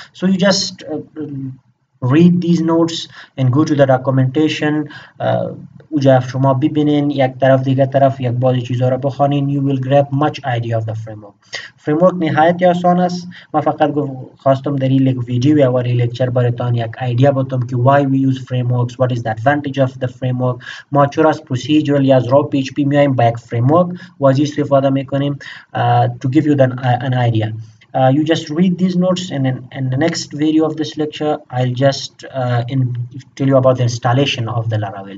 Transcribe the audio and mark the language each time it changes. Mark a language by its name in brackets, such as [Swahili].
[English] So you just read these notes and go to the documentation. [Persian] اوجا شما ببینین یک طرف دیگه طرف یک بازی چیزها را بخوانین، [English] you will grab much idea of the framework. [Persian] Framework نهایت آسان است. ما فقط خواستم در این ویدیو یا در این لکچر براتون یک ایده بدم که [English] why we use frameworks, what is the advantage of the framework. [Persian] ما چرا از procedural یا از raw PHP میایم به یک framework و از این استفاده میکنیم. [English] To give you an idea. You just read these notes and in the next video of this lecture I'll just tell you about the installation of the Laravel.